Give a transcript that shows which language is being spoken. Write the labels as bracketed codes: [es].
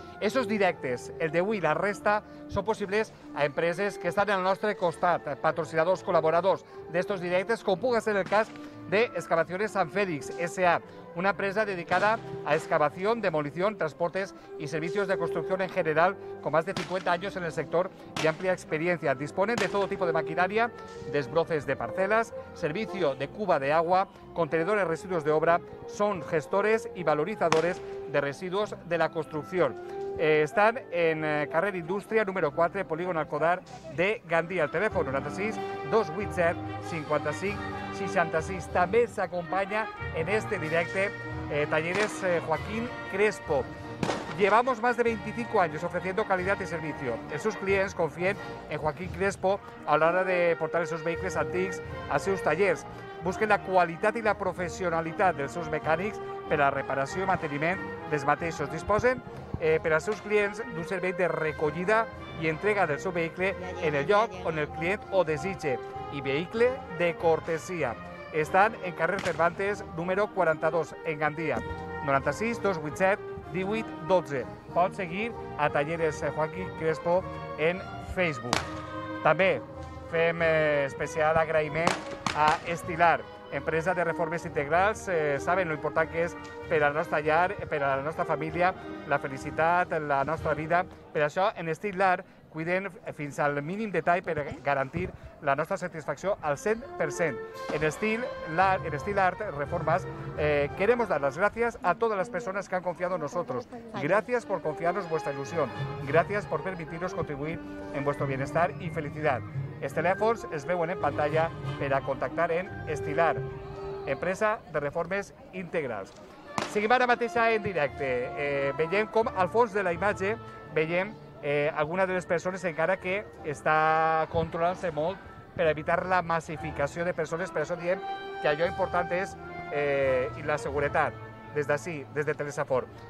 [ca] Esos directes, el d'avui i la resta, són possibles a empreses que estan al nostre costat, patrocinadors, col·laboradors d'estos directes, com pugui ser el cas d'Excavaciones San Félix, S.A., una empresa dedicada a excavació, demolició, transportes i servicis de construcció en general, [es] con más de [ca] 50 anys en el sector i amplia experiència. [es] Disponen de todo tipo de maquinaria, desbroces de parcelas, servicio de cuba de agua, contenedores de residuos de obra, son gestores y valorizadores de residuos de la construcción. Están en carrer Industria, número 4, polígono Alcodar de Gandia. El teléfono 96 287 55 66. [ca] També s'acompanya en este directe Talleres Joaquín Crespo. [es] Llevamos más de 25 años ofreciendo calidad y servicio. Sus clientes confían en Joaquín Crespo a la hora de portar sus vehículos antiguos a sus talleres. [ca] Busquen la qualitat i la professionalitat dels seus mecànics per a reparació i manteniment dels mateixos. Disposen per als seus clients d'un servei de recollida i entrega del seu vehicle en el lloc on el client ho desitja i vehicle de cortesia. Estan en carrer Cervantes, número 42, en Gandia, 96 287 18 12. Pot seguir a Talleres Joaquín Crespo en Facebook. També fem especial agraïment a Estilar, empresa de reformes integrals. Saben lo important que és per al nostre llar, per a la nostra família, la felicitat, la nostra vida. Per això, en Estilar, cuiden fins al mínim detall per garantir la nostra satisfacció al 100%. [es] En estil art reformas, queremos dar las gracias a todas las personas que han confiado en nosotros. Gracias por confiarnos vuestra ilusión. Gracias por permitirnos contribuir en vuestro bienestar y felicidad. [ca] Els telèfons es veuen en pantalla per a contactar en Estilar, empresa de reformes integrals. Seguim ara mateix en directe. Veiem com al fons de la imatge veiem alguna de les persones encara que està controlant-se molt per evitar la massificació de persones, per això diem que allò important és la seguretat, des d'ací, des de Telesafor.